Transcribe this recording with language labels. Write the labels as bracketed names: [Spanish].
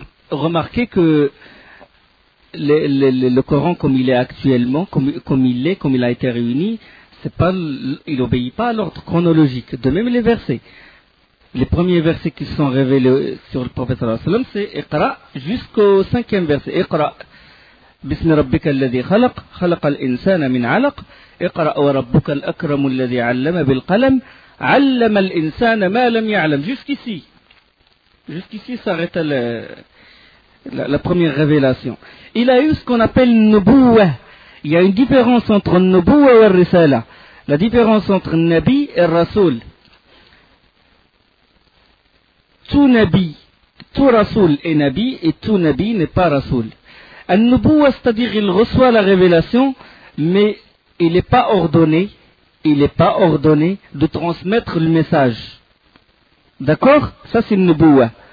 [French] Remarquez que le Coran, comme il est actuellement, comme il a été réuni, il n'obéit pas à l'ordre chronologique. De même, les versets. Les premiers versets qui sont révélés sur le prophète sallallahu alayhi wa sallam, c'est Iqra jusqu'au cinquième verset. [Arabic] Iqra. بسم ربك الذي خلق خلق الإنسان من علق اقرأ وربك الأكرم الذي علم بالقلم علم الإنسان ما لم يعلم [French] jusqu'ici s'arrête la première révélation. Il a eu ce qu'on appelle nubuwa. Il y a une différence entre nubuwa et risala, la différence entre nabi et rasoul. Tout nabi, tout rasoul est nabi, et tout nabi n'est pas rasoul. Al-Nubuwa, c'est-à-dire il reçoit la révélation, mais il n'est pas ordonné de transmettre le message. D'accord? Ça, c'est Al-Nubuwa.